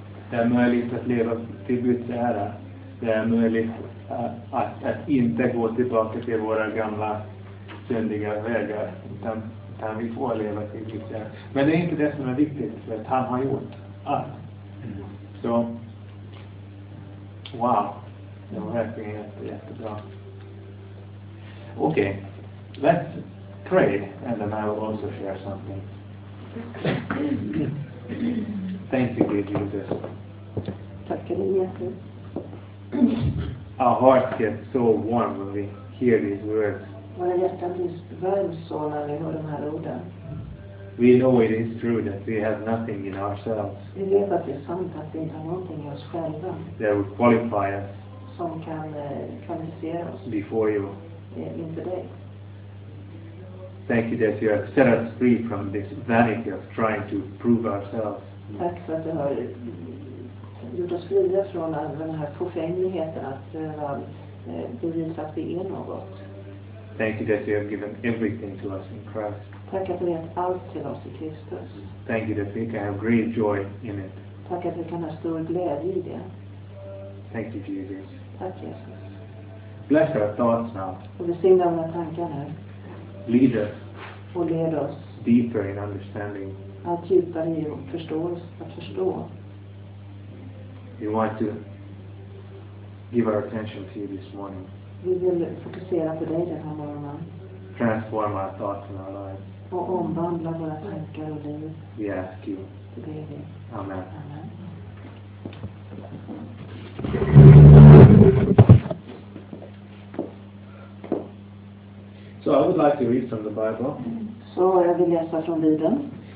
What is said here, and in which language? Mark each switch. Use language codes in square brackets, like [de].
[sv] Det är möjligt att leva till Guds ära. Det är möjligt att inte gå tillbaka till våra gamla syndiga vägar. Utan vi får leva till Guds ära. Men det är inte det som är viktigt, för att han har gjort allt. Så, wow. Det var verkligen jättebra. Okej. [en] Let's pray and then I will also share something. Thank you, dear Jesus. [sv] Tack, [en] dear [sv] Jesus. [en] Our hearts get so warm when we hear these words. [sv] Våra hjärtan blir varma så när vi hör de här orden. [en] We know it is true that we have nothing in ourselves. [sv] Vi vet att det är sant att vi inte har någonting i oss själva. [en] That would qualify us [sv] som kan kvalificera oss. [en] Before you. [sv] Inför dig. [en] Thank you that you have set us free from this vanity of trying to prove ourselves. [sv] Tack för att du har gjort oss fria från den här förfängligheten att bevisa att vi är något. [en] Thank you that you have given everything to us in Christ. [sv] Tack att du har gett allt till oss i Kristus. [en] Thank you that we can have great joy in it. [sv] Tack att vi kan ha stor glädje i det. [en] Thank you, Jesus. [sv] Tack, Jesus. [en] Bless our thoughts now. [sv] Och vi singlar våra tankar nu. [en] Lead us. [sv] Och led oss. [en] Deeper in understanding. [sv] Allt djupare i att förstå oss, att förstå. [en] We want to give our attention to you this morning. [sv] Vi vill fokusera på dig den här morgonen. [en] Transform our thoughts and our lives. [sv] Och omvandla våra tankar och liv. [en] We ask you. [sv] Det är det. [en] Amen. [sv] Amen. [en] So I would like to read from the Bible. [sv] Så jag vill läsa från Bibeln.